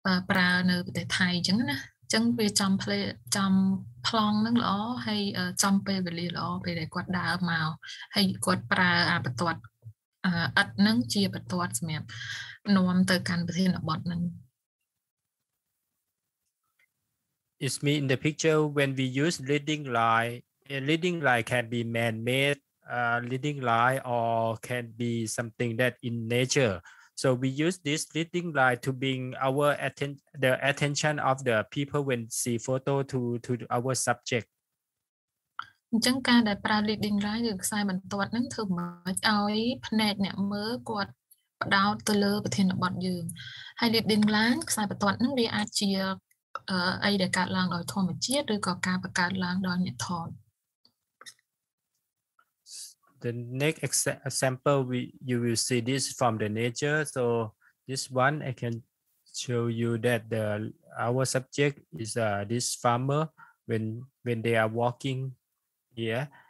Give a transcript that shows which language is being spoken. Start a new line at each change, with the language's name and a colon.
Khmer: ប្រើនៅប្រទេសថៃអញ្ចឹងណាអញ្ចឹងវាចំផ្លេចំផ្លង់ហ្នឹងល្អហើយចំពេលវេលាល្អពេលដែលគាត់ដើរមកហើយគាត់ប្រើអាបតតអឹតហ្នឹងជាបតតសម្រាប់នាំទៅកាន់ប្រធានបទហ្នឹង
English: It's me in the picture when we use leading line can be man made leading line or can be something that in natureSo we use this leading line to bring the attention of the people when see photo to our subject.
Khmer: អញ្ចឹងការដែលប្រើ leading line ឬខ្សែបន្ទាត់ហ្នឹងធ្វើមកឲ្យភ្នែកអ្នកមើលគាត់ផ្ដោតទៅលើប្រធានបទយើងហើយ leading line ខ្សែបន្ទាត់ហ្នឹងវាអាចជាអីដែលកើតឡើងដោយធម្មជាតិឬក៏ការបង្កើតឡើងដោយអ្នកថត
English: The next example you will see this from the nature. So this one I can show you that our subject is this farmer when they are walking here.